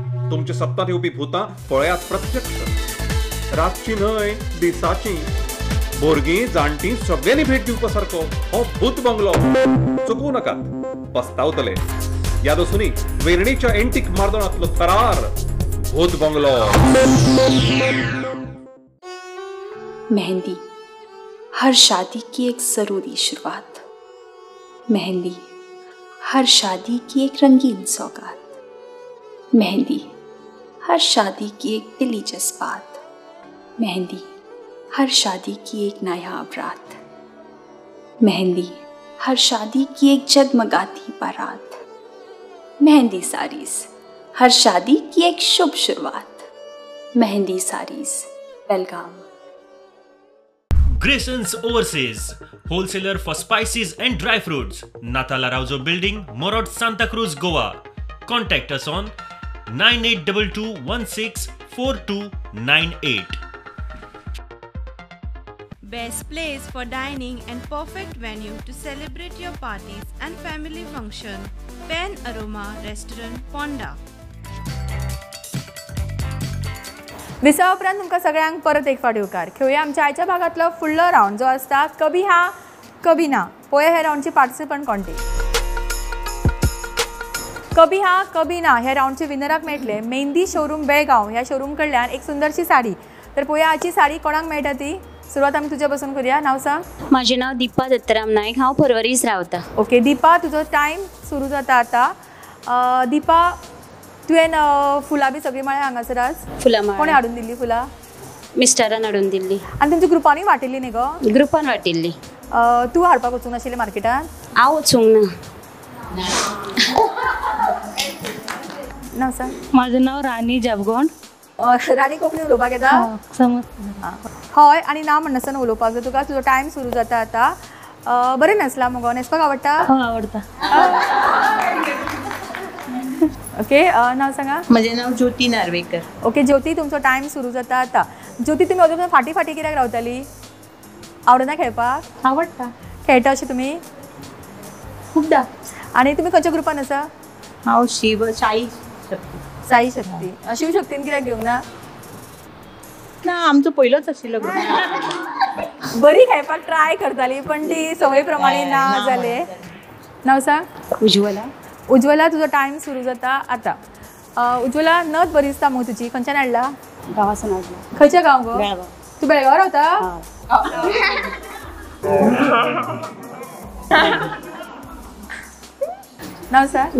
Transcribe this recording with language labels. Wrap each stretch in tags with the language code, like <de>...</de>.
<gom>तुमचे सत्तात येऊपी भूतां पळयात प्रत्यक्ष. रातची न्हय दिसाची भुरगीं जाणटी सगळ्यांनी भेट दिवपा सारको हो भूत बंगलो. चुकू नकात पस्तावतले. याद असुनी वेर्णेच्या एंटीक मार्दोळातलो थरार भूत बंगलो.</gom> <hi>मेहंदी हर शादी की एक जरूरी शुरुआत. मेहंदी हर शादी की एक रंगीन सौगात. मेहंदी हर शादी की एक दिली जज्बात. मेहंदी हर शादी की एक नायाब रात. मेहंदी हर शादी की एक जगमगाती बारात. मेहंदी सारीज हर शादी की एक शुभ शुरुआत. मेहंदी सारीज बेलगाम.</hi> <en>Grayson's Overseas, wholesaler for spices and dry fruits, Natala Raujo Building, Morod, Santa Cruz, Goa. Contact us on 9822164298. Best place for dining and perfect venue to celebrate your parties and family function, Pan Aroma Restaurant, Ponda.</en> <gom>विसा उपरांत तुमकां सगळ्यांक परत एक फावट येवकार. खेळया आमच्या आयच्या भागातलो फुडलो राऊंड जो आसता कभी हा कभी ना. पळोवया हे राऊंडची पार्टिसिपंट कोणती. कभी हा कभी ना ह्या राऊंडचे विनराक मेळटले मेहंदी शोरूम बेळगाव ह्या शोरूम कडल्यान एक सुंदरशी साडी. तर पळोवया हाची साडी कोणाक मेळटा ती. सुरुवात आम्ही तुझ्या पासून करूया. नाव सांग.</gom> <mr>माझे नाव दीपा दत्तराम नायक.</mr> <gom>हा परवरीस रावता. ओके दीपा तुझो टायम सुरू जाता आता. दीपा तुवें फुलां बी सगळीं माळ्या हांगासर आज फुलां कोणी हाडून दिल्ली. फुलां मिस्टरान हाडून दिल्ली आनी तुमच्या ग्रुपानी वाटिल्ली न्ही गो. ग्रुपान वाटिल्ली. तूं हाडपाक वचूंक नाशिल्लें मार्केटान. हांव वचूंक ना. नाव सांग. म्हाजें नांव राणी जावगोंड. राणी कोंकणी उलोवपाक येता समज हय आनी ना म्हणसना उलोवपाक जाय तुका तुजो टायम सुरू जाता आतां बरें नासला मुगो न्हेसपाक आवडटा आवडटा ओके नाव सांगा म्हजें नांव ज्योती नार्वेकर ओके ज्योती तुमचो टायम सुरू जाता आतां ज्योती तुमी अजून फाटी फाटी कित्याक रावतली आवडना खेळपाक आवडटा खेळटा अशें तुमी खुबदा आनी तुमी खंयच्या ग्रुपान आसा हांव शिव साई साई शक्ती शिव शक्तीन कित्याक घेवंक ना ना आमचो पयलोच आशिल्लो ग्रुप बरी खेळपाक ट्राय करताली पण ती सवय प्रमाणे ना जाले नाव सांग उज्ज्वला उज्ज्वला तुझा टायम सुरू जाता आता उज्ज्वला नद बरी दिसता मग तुझी खंयच्यान हाडला गावासून खंयच्या गांव गो तू बेळगाव रावता नाव सांग</gom>